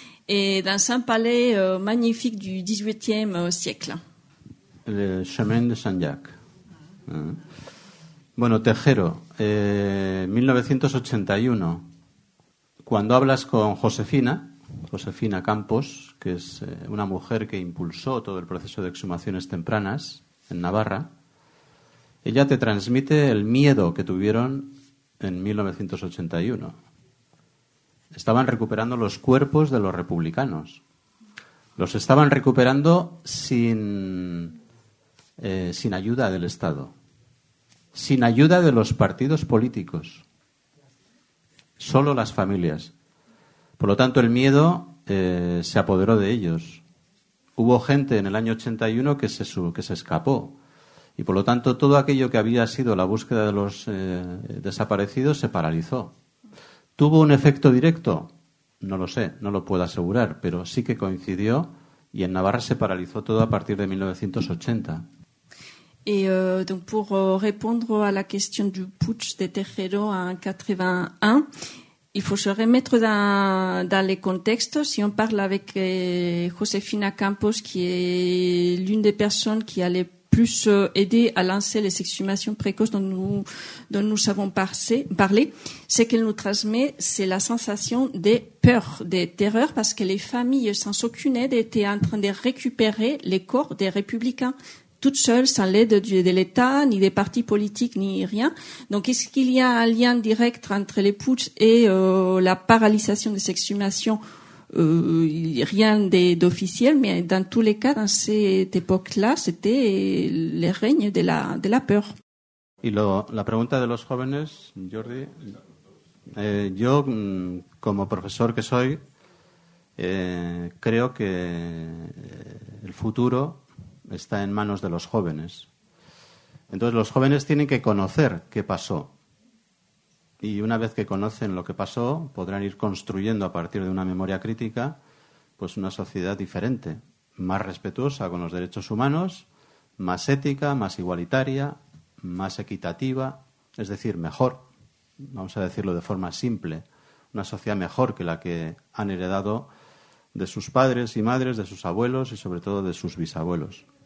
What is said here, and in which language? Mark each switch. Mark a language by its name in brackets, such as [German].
[French] Et dans un palais magnifique du XVIIIe siècle. Le chemin de Saint-Jacques. [Spanish] Bueno, Tejero, 1981, cuando hablas con Josefina Campos, que es una mujer que impulsó todo el proceso de exhumaciones tempranas en Navarra, ella te transmite el miedo que tuvieron en 1981. Estaban recuperando los cuerpos de los republicanos. Los estaban recuperando sin ayuda del Estado. Sin ayuda de los partidos políticos. Solo las familias. Por lo tanto, el miedo se apoderó de ellos. Hubo gente en el año 81 que se escapó. Y por lo tanto, todo aquello que había sido la búsqueda de los desaparecidos se paralizó. ¿Tuvo un efecto directo? No lo sé, no lo puedo asegurar, pero sí que coincidió y en Navarra se paralizó todo a partir de 1980. [French] Donc pour répondre à la question du putsch de Tejero en 81, il faut se remettre dans les contextes. Si on parle avec Josefina Campos, qui est l'une des personnes qui allait plus aider à lancer les exhumations précoces dont nous avons parlé, ce qu'elle nous transmet, c'est la sensation des peurs, des terreurs, parce que les familles, sans aucune aide, étaient en train de récupérer les corps des républicains, toutes seules, sans l'aide de l'État, ni des partis politiques, ni rien. Donc, est-ce qu'il y a un lien direct entre les putschs et la paralysation des exhumations? Rien d'officiel, mais dans tous les cas, dans cette époque-là, c'était le règne de la peur. [Spanish] Y la pregunta de los jóvenes, Jordi. Yo, como profesor que soy, creo que el futuro está en manos de los jóvenes. Entonces, los jóvenes tienen que conocer qué pasó. Y una vez que conocen lo que pasó, podrán ir construyendo a partir de una memoria crítica pues una sociedad diferente, más respetuosa con los derechos humanos, más ética, más igualitaria, más equitativa, es decir, mejor, vamos a decirlo de forma simple, una sociedad mejor que la que han heredado de sus padres y madres, de sus abuelos y sobre todo de sus bisabuelos.